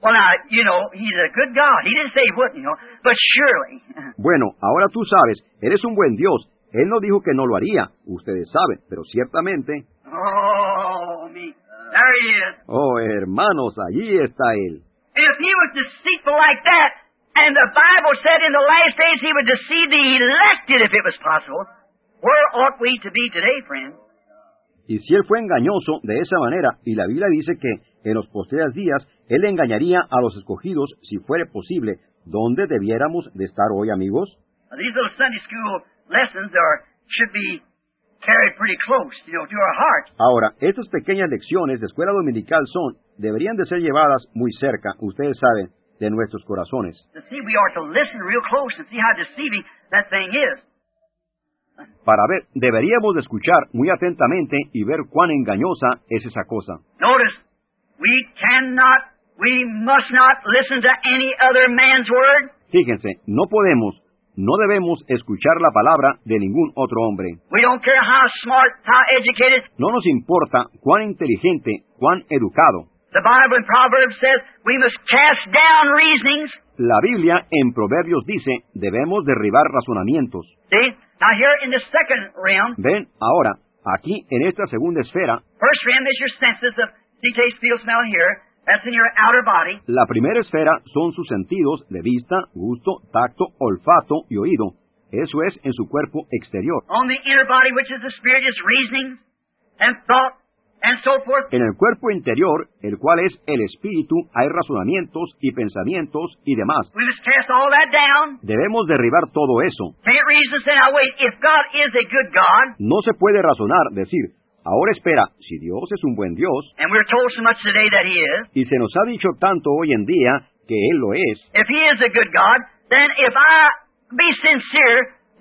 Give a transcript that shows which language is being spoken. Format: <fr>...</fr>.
<en>Well, now, you know, he's a good God. He didn't say he wouldn't, you know, but surely.</en> <es>Bueno, ahora tú sabes, eres un buen Dios. Él no dijo que no lo haría, ustedes saben, pero ciertamente.</es> <en>Oh, me. There he is.</en> <es>Oh, hermanos, allí está él.</es> <en>If he was deceitful like that, and the Bible said in the last days he would deceive the elected if it was possible, where ought we to be today, friend?</en> <es>Y si él fue engañoso de esa manera, y la Biblia dice que en los posteriores días él engañaría a los escogidos si fuere posible, ¿dónde debiéramos de estar hoy, amigos?</es> <en>These little Sunday school lessons are, should be carried pretty close, you know, to our heart.</en> <es>Ahora, estas pequeñas lecciones de escuela dominical son, deberían de ser llevadas muy cerca, ustedes saben, de nuestros corazones.</es> <en>To see, we are to listen real close and see how deceiving that thing is.</en> <es>Para ver, deberíamos de escuchar muy atentamente y ver cuán engañosa es esa cosa.</es> <en>Notice, we cannot, we must not listen to any other man's word.</en> <es>Fíjense, no podemos, no debemos escuchar la palabra de ningún otro hombre.</es> <en>We don't care how smart, how educated.</en> <es>No nos importa cuán inteligente, cuán educado.</es> <en>The Bible in Proverbs says we must cast down reasonings.</en> <es>La Biblia en Proverbios dice, debemos derribar razonamientos.</es> <en>See? Now here in the second realm.</en> <es>Ven, ahora, aquí en esta segunda esfera.</es> <en>First realm is your senses of taste, feel, smell, hear. That's in your outer body.</en> <es>La primera esfera son sus sentidos de vista, gusto, tacto, olfato y oído. Eso es en su cuerpo exterior.</es> <en>On the inner body, which is the spirit, is reasoning and thought. And so forth.</en> <es>En el cuerpo interior, el cual es el espíritu, hay razonamientos y pensamientos y demás.</es> <en>We must cast all that down.</en> <es>Debemos derribar todo eso.</es> <en>Can't reason, say, now wait, if God is a good God.</en> <es>No se puede razonar, decir, ahora espera, si Dios es un buen Dios.</es> <en>And we're told so much today that he is.</en> <es>Y se nos ha dicho tanto hoy en día que él lo es.</es> <en>If he is a good God, then if I be sincere,</en>